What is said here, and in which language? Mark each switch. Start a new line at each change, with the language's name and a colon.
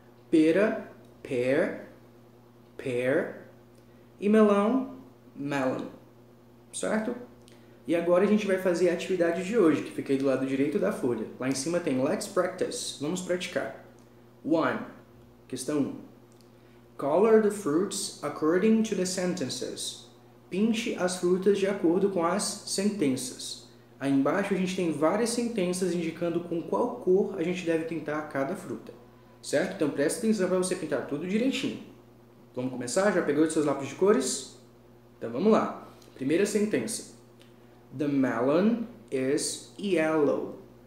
Portuguese: Pera,
English: pear, pear.
Portuguese: E melão, melon, certo? E agora a gente vai fazer a atividade de hoje, que fica aí do lado direito da folha. Lá em cima tem
English: let's practice,
Portuguese: vamos praticar.
English: One,
Portuguese: questão 1.
English: Color the fruits according to the sentences.
Portuguese: Pinte as frutas de acordo com as sentenças. Aí embaixo a gente tem várias sentenças indicando com qual cor a gente deve pintar cada fruta. Certo? Então presta atenção para você pintar tudo direitinho. Vamos começar? Já pegou os seus lápis de cores? Então vamos lá. Primeira sentença.
English: The melon is yellow.